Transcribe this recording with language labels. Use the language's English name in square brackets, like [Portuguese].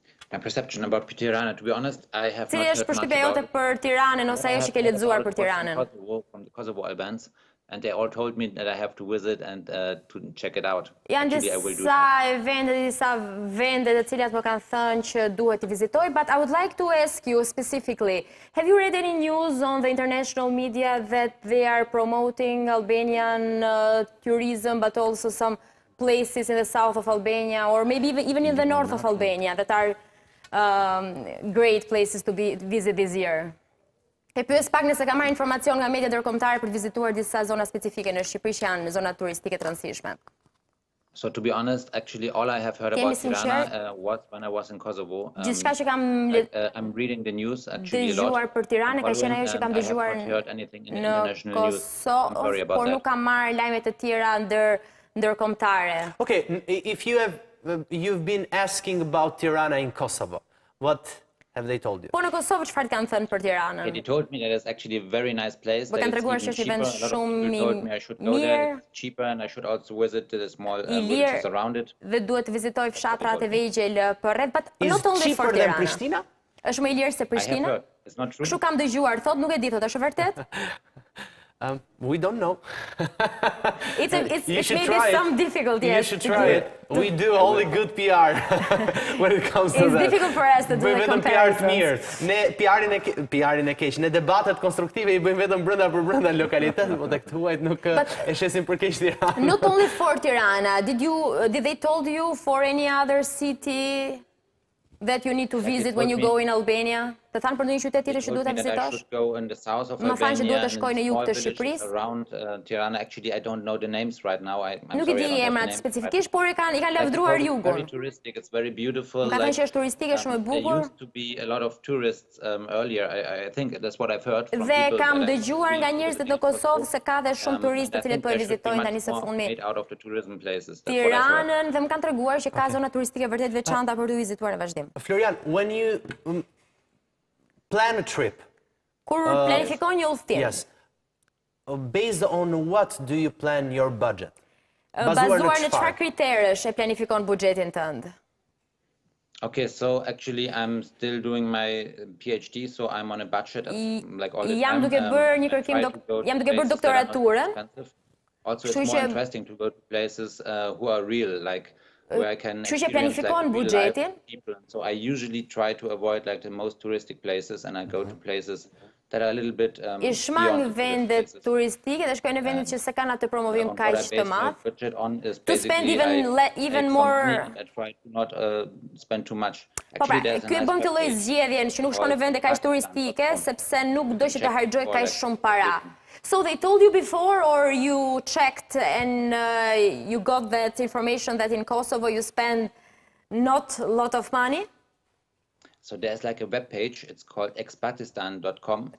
[English] a perception about Tirana, to be honest, I have [Albanian] si [English] not heard much about it. [Albanian] Për Tiranën, ose ajo që ke lexuar për Tiranën. [English] From the Kosovo Albans, and they all told me that I have to visit and to check it out. [Albanian] Janë disa vende, disa vende të cilat më kanë thënë që duhet të vizitoj, [English] but I would like to ask you specifically, have you read any news on the international media that they are promoting Albanian tourism, but also some places in the south of Albania, or maybe even in the north of Albania, that are great places to visit this year. [Albanian] E pyes pak nëse ka marrë informacion nga media ndërkombëtare për të vizituar disa zona specifike në Shqipëri që janë zona turistike të rëndësishme. [English] So to be honest, actually all I have heard about Tirana was when I was in Kosovo. [Albanian] Gjithçka që kam [English] I'm reading the news actually a lot. [Albanian] Për Tiranë ka qenë ajo që kam dëgjuar në Kosovë, por nuk kam marrë lajme të tjera ndër ndërkombëtare. [English] Okay, if you have you've been asking about Tirana in Kosovo, what have they told you? [Albanian] Po në Kosovë çfarë të kanë thënë për Tiranën? [English] Okay, they told me that it's actually a very nice place. [Albanian] Po kanë treguar se është vend shumë [English] mirë, cheaper and I should also visit the small villages around it. [Albanian] Dhe duhet të vizitoj fshatrat e vegjël përreth, [English] but not only for Tirana. Is cheaper than Prishtina? [Albanian] Është më i lirë se Prishtina? [English] It's not true. [Albanian] Kshu kam dëgjuar, thotë, nuk e di, thotë, është vërtet? [English] We don't know. it's maybe some difficulty. You should try it. We do only good PR when it comes to it's that. It's difficult for us to do the comparisons. [Albanian] PR ne PR-in e PR-in e keq. Ne debatet konstruktive i bëjmë vetëm brenda për brenda lokalitet, por tek huajt nuk e shesim për keq Tiranë. [English] Not only for Tirana. Did they told you for any other city that you need to visit when you go in Albania? [Albanian] Të thanë për ndonjë qytet tjetër që duhet ta vizitosh? Më thanë që duhet të shkoj në jug të Shqipërisë. [English] Around Tirana actually I don't know the names right now. [Albanian] Nuk e di emrat specifikisht, por i kanë lavdruar jugun. [English] Very touristic, it's very beautiful. [Albanian] Ka thënë që është turistike shumë e bukur. [English] There used to be a lot of tourists earlier. I think that's what I've heard from people. [Albanian] Dhe kam dëgjuar nga njerëzit në Kosovë se ka dhe shumë turistë të cilët po vizitojnë tani së fundmi. Tiranën dhe më kanë treguar që ka zona turistike vërtet veçanta për të vizituar në vazhdim. [English] Florian, when you plan a trip. [Albanian] Kur planifikon një udhëtim. [English] Yes. Based on what do you plan your budget? [Albanian] Bazuar në çfarë kriteresh e planifikon buxhetin tënd? [English] Okay, so actually I'm still doing my PhD, so I'm on a budget of, like all the [Albanian] jam [English] time. [Albanian] Duke bërë një kërkim jam duke bërë doktoraturën. [English] Also it's more interesting to go to places who are real, like where I can planifikon like, buxhetin. So I usually try to avoid like the most touristic places and I go to places that are a little bit [Albanian] I shmang vendet turistike dhe shkoj në vendet që s'e kanë atë promovim kaq të madh. [English] To spend even more I try to not spend too much. [Albanian] Ky e bën të lloj zgjedhjen që nuk shkon në vende kaq turistike sepse nuk do që të harxhoj kaq shumë para. [English] So they told you before, or you checked and you got that information that in Kosovo you spend not a lot of money? So there's like a web page, it's called expatistan.com.